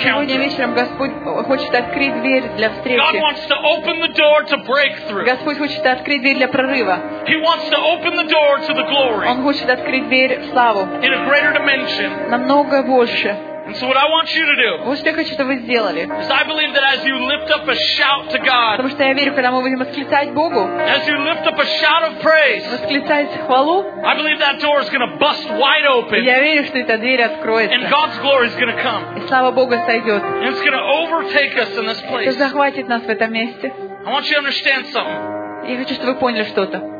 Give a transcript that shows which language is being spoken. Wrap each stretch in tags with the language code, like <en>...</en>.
<ru>Сегодня вечером Господь хочет открыть дверь для встречи.</ru> <en>God wants to open the door to breakthrough.</en> <ru>Господь хочет открыть дверь для прорыва.</ru> <en>He wants to open the door to the glory.</en> <ru>Он хочет открыть дверь в славу.</ru> <en>In a greater dimension.</en> <ru>Намного больше.</ru> <en>And so what I want you to do.</en> <ru>Вот что я хочу, чтобы вы сделали.</ru> <en>Is I believe that as you lift up a shout to God.</en> <ru>Потому что я верю, когда мы будем восклицать Богу.</ru> <en>As you lift up a shout of praise.</en> <ru>Восклицать хвалу.</ru> <en>I believe that door is going to bust wide open.</en> <ru>Я верю, что эта дверь откроется.</ru> <en>And God's glory is going to come.</en> <ru>И слава Бога сойдет.</ru> <en>And it's going to overtake us in this place.</en> <ru>Это захватит нас в этом месте.</ru> <en>I want you to understand something.</en> <ru>Я хочу, чтобы вы поняли что-то.</ru>